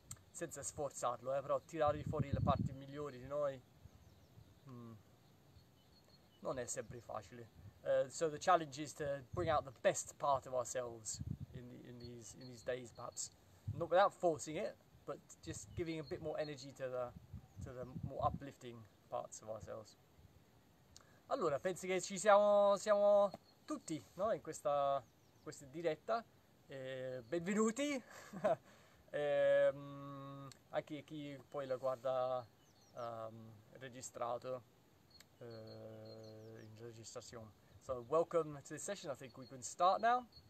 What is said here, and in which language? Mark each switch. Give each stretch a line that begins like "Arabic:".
Italian: Senza sforzarlo, però tirare fuori le parti migliori di noi non è sempre facile.
English: So the challenge is to bring out the best part of ourselves in these days, perhaps. Not without forcing it, but just giving a bit more energy to the more uplifting parts of ourselves.
Italian: Allora, penso che ci siamo tutti, no? In questa diretta. Benvenuti. Anche chi poi la guarda registrato in registrazione.
English: So, welcome to this session. I think we can start now.